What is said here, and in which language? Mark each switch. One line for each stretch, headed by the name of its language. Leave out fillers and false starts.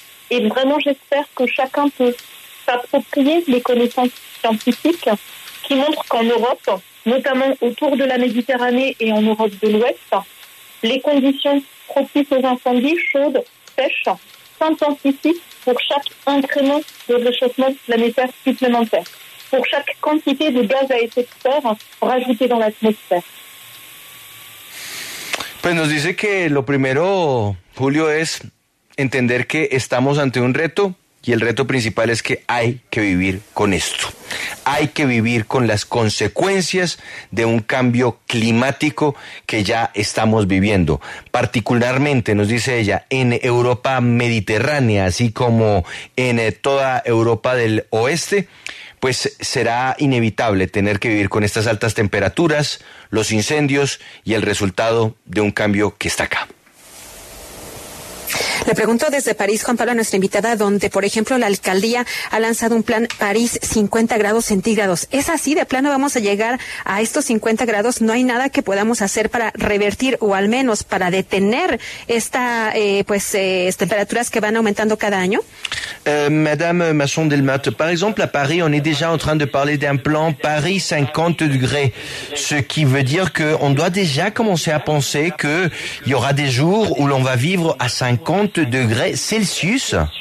French: Et vraiment, j'espère que chacun peut s'approprier les connaissances scientifiques qui montrent qu'en Europe, notamment autour de la Méditerranée et en Europe de l'Ouest, les conditions propices aux incendies chaudes, sèches, s'intensifient pour chaque incrément de réchauffement planétaire supplémentaire, pour chaque quantité de gaz à effet de serre rajoutée dans l'atmosphère.
Spanish: Pues nos dice que lo primero, Julio, es entender que estamos ante un reto. Y el reto principal es que hay que vivir con esto. Hay que vivir con las consecuencias de un cambio climático que ya estamos viviendo. Particularmente, nos dice ella, en Europa mediterránea, así como en toda Europa del Oeste, pues será inevitable tener que vivir con estas altas temperaturas, los incendios y el resultado de un cambio que está acá. Le pregunto desde París, Juan Pablo, a nuestra invitada, donde, por ejemplo, la alcaldía ha lanzado un plan París 50 grados centígrados. ¿Es así? ¿De plano vamos a llegar a estos 50 grados? ¿No hay nada que podamos hacer para revertir o al menos para detener esta, temperaturas que van aumentando cada año?
French: Madame Masson-Delmotte, par exemple, à Paris, on est déjà en train de parler d'un plan Paris 50 degrés, ce qui veut dire qu'on doit déjà commencer à penser qu'il y aura des jours où l'on va vivre à 50 degrés Celsius.